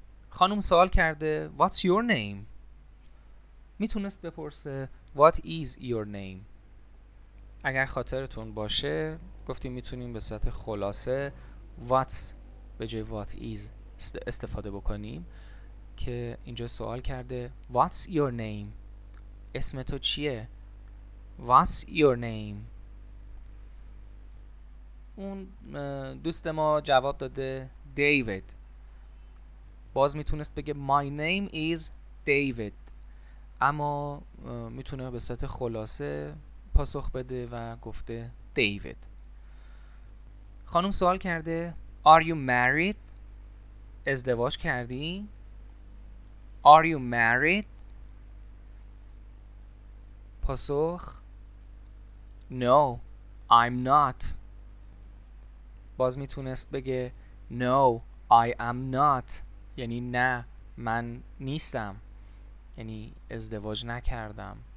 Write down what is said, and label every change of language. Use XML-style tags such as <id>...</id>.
<fa>خانم سوال کرده</fa> <en>What's your name؟</en> <fa>میتونست بپرسه</fa> <en>What is your name؟</en> <fa>اگر خاطرتون باشه گفتیم میتونیم به صورت خلاصه What's به جای</fa> <en>What is</en> <fa>استفاده بکنیم، که اینجا سوال کرده What's your name؟ اسم تو چیه؟ What's your name؟ اون دوست ما جواب داده David. باز میتونست بگه</fa> <en>My name is David،</en> <fa>اما میتونه به صورت خلاصه پاسخ بده و گفته David. خانم سوال کرده</fa> <en>Are you married؟</en> <fa>ازدواج کردی؟ Are you married؟ پاسخ</fa> <en>No, I'm not.</en> <fa>باز میتونست بگه</fa> <en>No, I am not.</en> <fa>یعنی نه من نیستم، یعنی ازدواج نکردم.</fa>